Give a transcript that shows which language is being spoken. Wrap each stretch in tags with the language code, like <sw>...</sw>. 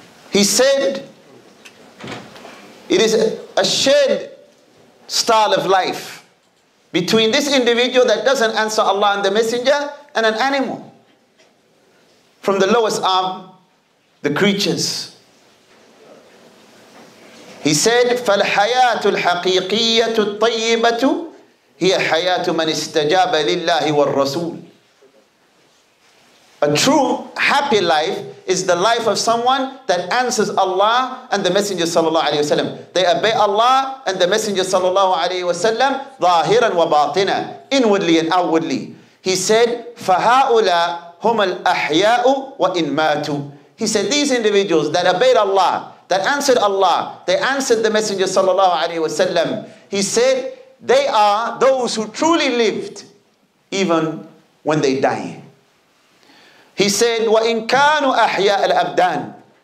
<en>He said, it is a shared style of life between this individual that doesn't answer Allah and the Messenger and an animal from the lowest arm, the creatures. He said,</en> <ar>فَالْحَيَاةُ الْحَقِيقِيَّةُ الطَّيِّبَةُ هِيَ حَيَاةُ مَنِ اسْتَجَابَ لِلَّهِ وَالرَّسُولِ.</ar> <en>A true happy life is the life of someone that answers Allah and the Messenger sallallahu alayhi wa sallam. They obey Allah and the Messenger sallallahu alayhi wa sallam</en> <ar>ظاهراً وباطناً,</ar> <en>inwardly and outwardly. He said,</en> <ar>فَهَؤُلَا هُمَ الْأَحْيَاءُ وَإِنْ مَاتُوا.</ar> <en>He said, these individuals that obeyed Allah, that answered Allah, they answered the Messenger sallallahu alayhi wa sallam. He said, they are those who truly lived even when they die. He said,</en> <ar>وَإِنْ كَانُوا أَحْيَاءَ الْأَبْدَانِ.</ar>